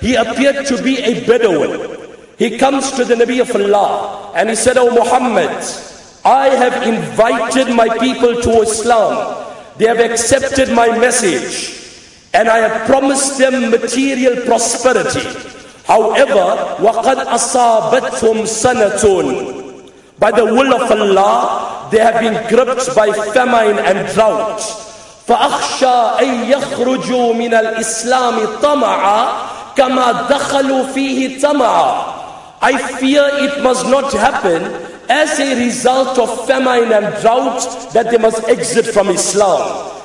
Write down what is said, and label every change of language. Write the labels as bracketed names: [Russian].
[English] He appeared to be a Bedouin. He comes to the Nabi of Allah and he said, "O Muhammad, I have invited my people to Islam. They have accepted my message and I have promised them material prosperity. However, [Arabic] وَقَدْ أَصَابَتْهُمْ سَنَةٌ. [English] By the will of Allah, they have been gripped by famine and drought. [Arabic] فَأَخْشَىٰ أَن يَخْرُجُوا مِنَ الْإِسْلَامِ طَمَعًا كَمَا دَخَلُوا فِيهِ طَمَعًا. [English] I fear it must not happen as a result of famine and drought that they must exit from Islam.